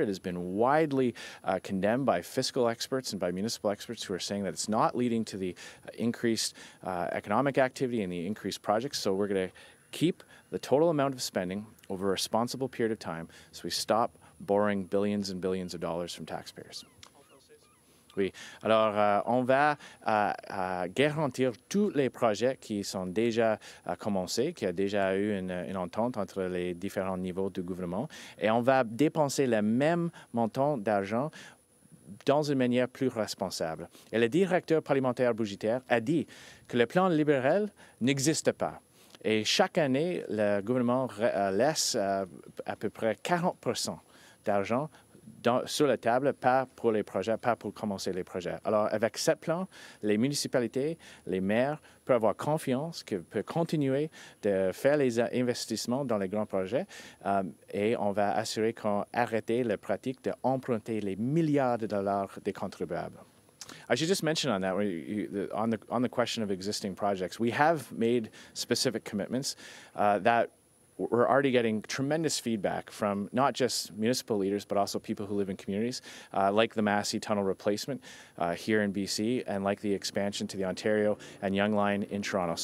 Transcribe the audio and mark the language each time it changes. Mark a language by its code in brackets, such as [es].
[en] It has been widely condemned by fiscal experts and by municipal experts who are saying that it's not leading to the increased economic activity and the increased projects. So we're going to keep the total amount of spending over a responsible period of time so we stop borrowing billions and billions of dollars from taxpayers. [fr] Oui. Alors, on va garantir tous les projets qui sont déjà commencés, qui a déjà eu une entente entre les différents niveaux du gouvernement, et on va dépenser le même montant d'argent dans une manière plus responsable. Et le directeur parlementaire budgétaire a dit que le plan libéral n'existe pas. Et chaque année, le gouvernement laisse à peu près 40% d'argent sur la table, pas pour les projets, pas pour commencer les projets. Alors, avec ce plan, les municipalités, les maires peuvent avoir confiance qu'ils peuvent continuer de faire les investissements dans les grands projets et on va assurer qu'on arrête la pratique d'emprunter les milliards de dollars des contribuables. [en] I should just mention on that, on the question of existing projects, we have made specific commitments that we're already getting tremendous feedback from not just municipal leaders, but also people who live in communities, like the Massey Tunnel replacement here in BC, and like the expansion to the Ontario and Yonge Line in Toronto.